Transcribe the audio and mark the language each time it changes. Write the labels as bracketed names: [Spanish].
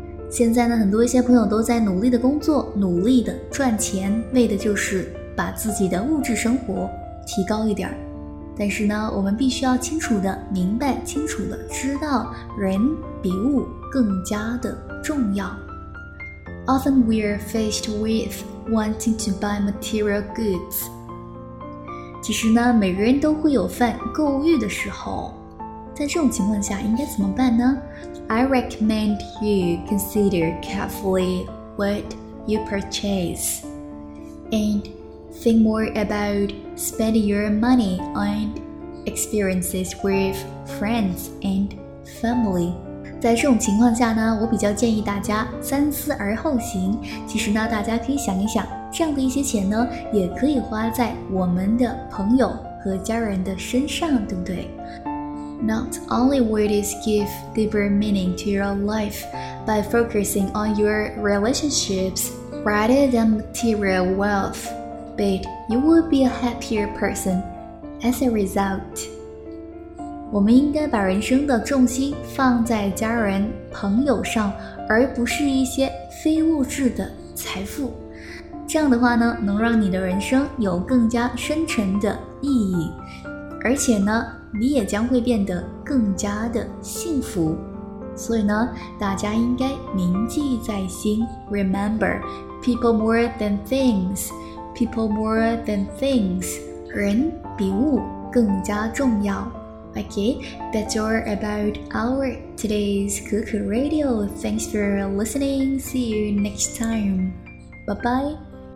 [Chinese] 现在呢，很多一些朋友都在努力的工作，努力的赚钱，为的就是把自己的物质生活提高一点。但是呢，我们必须要清楚的明白，清楚的知道，人比物更加的重要。 [English] Often we are faced with wanting to buy material goods. [Chinese] 其实呢，每个人都会有犯购物欲的时候。在这种情况下，应该怎么办呢？ [English] I recommend you consider carefully what you purchase and think more about spending your money on experiences with friends and family. [Chinese] 在这种情况下呢，我比较建议大家三思而后行。其实呢，大家可以想一想，这样的一些钱呢，也可以花在我们的朋友和家人的身上，对不对？ [English] Not only would it give deeper meaning to your life by focusing on your relationships rather than material wealth, but you will be a happier person as a result. [Chinese] 我们应该把人生的重心放在家人、朋友上，而不是一些非物质的财富。这样的话呢，能让你的人生有更加深沉的意义，而且呢你也将会变得更加的幸福，所以呢，大家应该铭记在心。 [English] Remember, people more than things, people more than things. [Chinese] 人比物更加重要。 [English] Okay, that's all about our today's Kuku Radio. Thanks for listening. See you next time. Bye bye.